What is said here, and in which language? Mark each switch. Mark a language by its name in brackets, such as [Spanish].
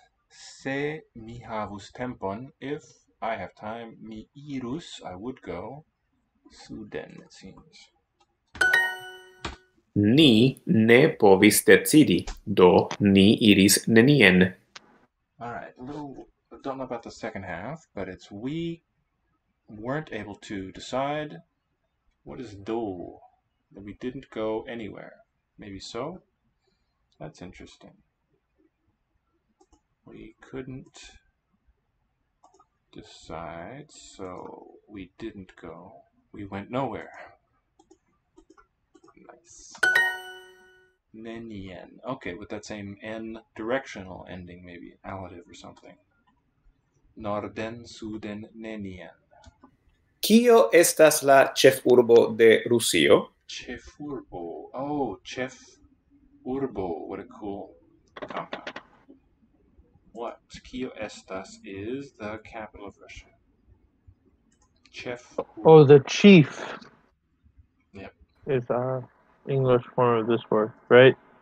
[Esperanto] Se mi havus tempon, [English] if I have time, [Esperanto] mi irus, [English] I would go. Suden, it seems. [Esperanto] Ni ne povis decidi, do ni iris nenien. [English] Alright, a little, don't know about the second half, but it's we weren't able to decide. What is do? That we didn't go anywhere. Maybe so? That's interesting. We couldn't decide, so we didn't go. We went nowhere. Nice. Nenien. Okay, with that same N directional ending, maybe allative or something. [Esperanto] Norden, suden, nenien. Kio estas la ĉefurbo de Rusio? Ĉefurbo. Oh, ĉefurbo. [English] What a cool compound. What? [Esperanto] Kio estas [English] is the capital of Russia. Chef. Oh, the chief. Yep. Is our English form of this word, right?